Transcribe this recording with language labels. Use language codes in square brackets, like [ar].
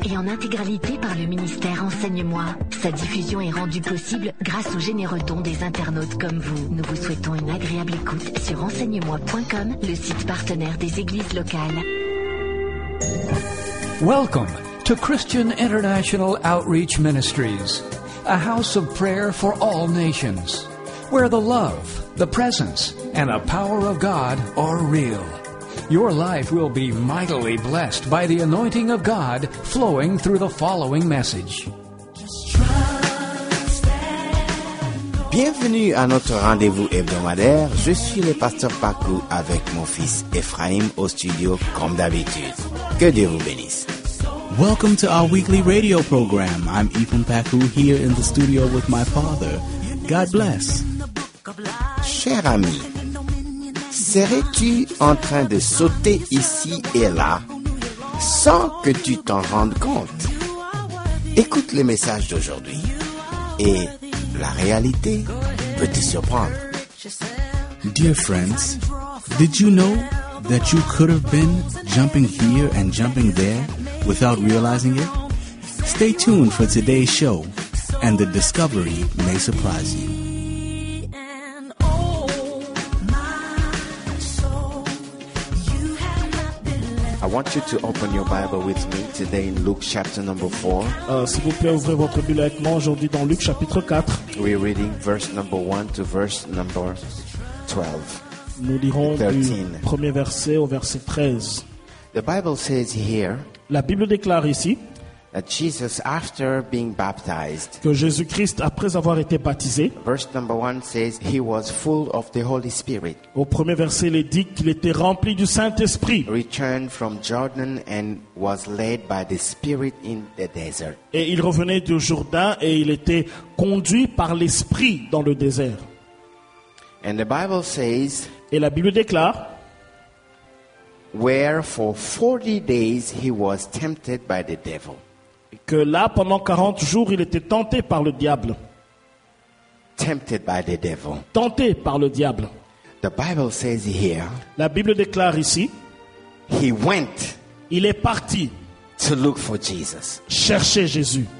[fr] Et en intégralité par le ministère Enseigne-moi. Sa diffusion est rendue possible grâce aux généreux dons des internautes comme vous. Nous vous souhaitons une agréable écoute sur enseignemoi.com, le site partenaire des églises locales. [en] Welcome to Christian International Outreach Ministries, a house of prayer for all nations, where the love, the presence, and the power of God are real. Your life will be mightily blessed by the anointing of God flowing through the following message. [fr] Bienvenue à notre rendez-vous hebdomadaire. Je suis le pasteur Paco avec mon fils Ephraim au studio comme d'habitude. Que Dieu vous bénisse. [en] Welcome to our weekly radio program. I'm Ephraim Paco here in the studio with my father. God bless. [fr] Cher ami, serais-tu en train de sauter ici et là sans que tu t'en rendes compte? Écoute le message d'aujourd'hui et la réalité peut te surprendre. [en] Dear friends, did you know that you could have been jumping here and jumping there without realizing it? Stay tuned for today's show and the discovery may surprise you. I want you to open your Bible with me today in Luke chapter number 4. [fr] S'il vous plaît, ouvrez votre Bible avec moi aujourd'hui dans Luc chapitre 4. [en] We're reading verse number 1 to verse number 12. [fr] Nous lirons 13. Du premier verset au verset 13. [en] The Bible says here. [fr] La Bible déclare ici. [en] That Jesus, after being baptized, [fr] que Jésus-Christ, après avoir été baptisé, [en] verse number one says he was full of the Holy Spirit. [fr] Au premier verset, il est dit qu'il était rempli du Saint-Esprit. [en] Returned from Jordan and was led by the Spirit in the desert. [fr] Et il revenait du Jourdain et il était conduit par l'Esprit dans le désert. [en] And the Bible says. [fr] Et la Bible déclare. [en] Where for 40 days he was tempted by the devil. [fr] Que là, pendant 40 jours, il était tenté par le diable. [en] Tempted by the devil. [fr] Tenté par le diable. [en] The Bible says here. [fr] La Bible déclare ici. [en] He went. [fr] Il est parti. [en] To look for Jesus. [fr] Chercher Jésus.